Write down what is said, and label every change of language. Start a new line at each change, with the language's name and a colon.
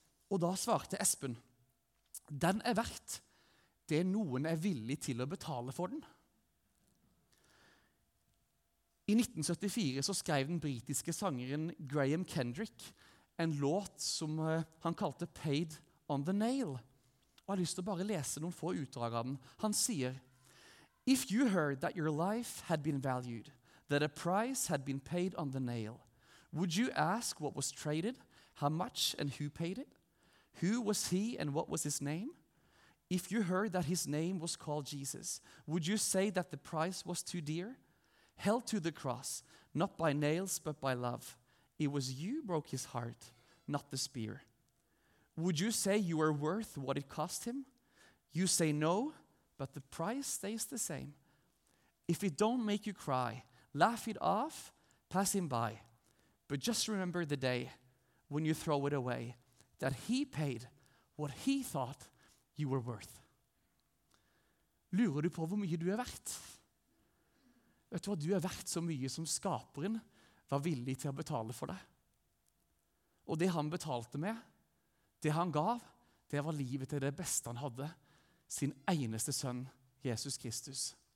Norwegian: Og da svarte Espen, den er verdt det noen er villig til å betale for den. I 1974 så skrev den britiske sangeren Graham Kendrick en låt som han kalte Paid on the Nail. Og jeg har lyst til å bare lese noen få utdrag av den. Han sier,
English: If you heard that your life had been valued, that a price had been paid on the nail, would you ask what was traded, how much and who paid it? Who was he and what was his name? If you heard that his name was called Jesus, would you say that the price was too dear? Held to the cross, not by nails but by love. It was you broke his heart, not the spear. Would you say you are worth what it cost him? You say no, but the price stays the same. If it don't make you cry, laugh it off, pass him by. But just remember the day when you throw it away, that he paid what he thought you were worth.
Norwegian: Lurer du på hvor mye du er verdt? Vet du hva? Du er verdt så mye som skaperen var villig til å betale for deg. Og det han betalte med, det han gav, det var livet til det beste han hadde, sin eneste sønn, Jesus Kristus.